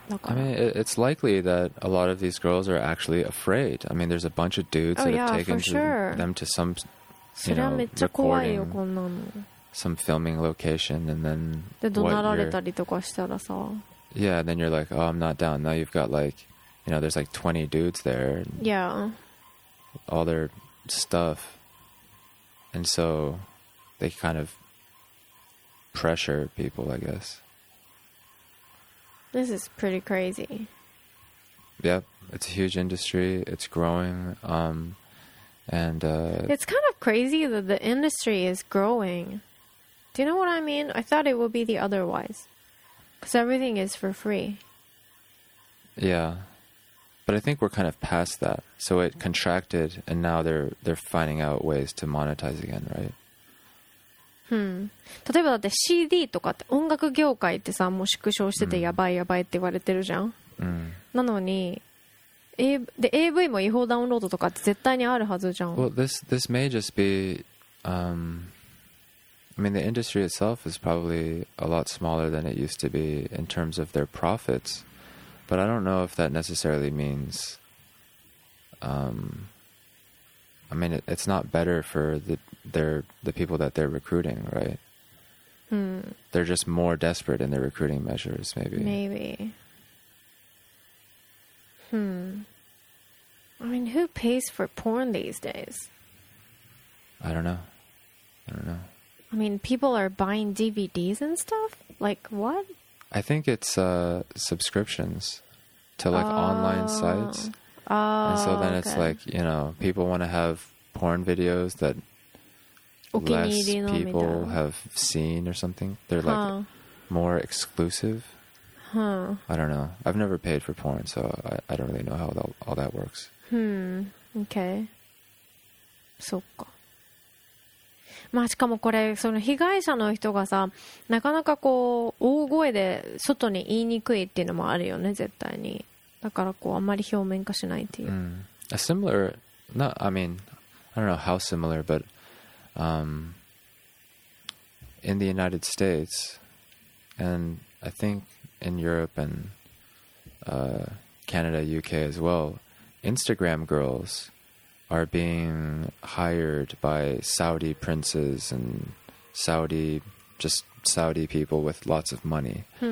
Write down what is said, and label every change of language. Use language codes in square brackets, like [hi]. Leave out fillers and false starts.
[ja] だから。 [en] I mean, it's likely that a lot of these girls are actually afraid. I mean, there's a bunch of dudes that have taken them to some, you know, [ja] それはめっちゃ怖いよ、こんなの。 [en] Some filming location and then [ja] で怒鳴られたりとかしたらさ。 [en] Yeah, then you're like, oh, I'm not down. Now you've got like, you know, there's like 20 dudes there. Yeah. All their stuff. And so they kind of pressure people, I guess. This is pretty crazy. Yep. It's a huge industry. It's growing. It's kind of crazy that the industry is growing. Do you know what I mean? I thought it would be the otherwise. Because everything is for free. Yeah. But I think we're kind of past that. So it contracted, and now they're finding out ways to monetize again, right? Hmm. [ja] 例えばだって CD とかって音楽業界ってさ、もう縮小しててやばいやばいって言われてるじゃん。なのに、で、AV も違法ダウンロードとかって絶対にあるはずじゃん。 [en] Well, this may just be... I mean, the industry itself is probably a lot smaller than it used to be in terms of their profits, but I don't know if that necessarily means, I mean, it's not better for the people that they're recruiting, right? Hmm. They're just more desperate in their recruiting measures, maybe. Maybe. Hmm. I mean, who pays for porn these days? I don't know. I mean, people are buying DVDs and stuff? Like, what? I think it's subscriptions to, like, online sites. Oh, and so then okay. It's like, you know, people want to have porn videos that less people have seen or something. They're, like, more exclusive. Huh. I don't know. I've never paid for porn, so I don't really know how all that works. [ja] Okay. そっか。まあ、しかもこれその被害者の人がさなかなかこう大声で外に言いにくいっていうのもあるよね絶対にだからこうあんまり表面化しないっていう、 [en] A similar not, I mean I don't know how similar but in the United States and I think in Europe and Canada, UK as well Instagram girlsare being hired by Saudi princes and Saudi, just Saudi people with lots of money.